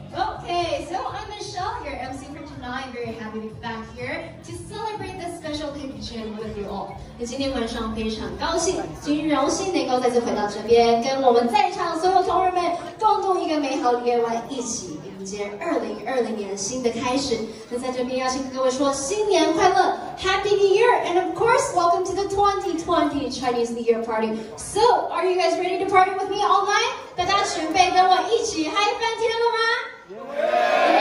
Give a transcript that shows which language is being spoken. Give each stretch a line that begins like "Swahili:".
English: Okay, so I'm Michelle, your MC for tonight. Very happy to be back here to celebrate this special package with you all.
Chinese: 今天晚上非常高兴，今天荣幸能够再次回到这边，跟我们在场所有同仁们共度一个美好的夜晚，一起迎接2020年新的开始。那在这边要请各位说新年快乐
English: ，Happy New Year，and of course welcome to the 2020 Chinese New Year party. So, are you guys ready to party with me all night?
Chinese: 大家准备跟我一起嗨翻天了吗？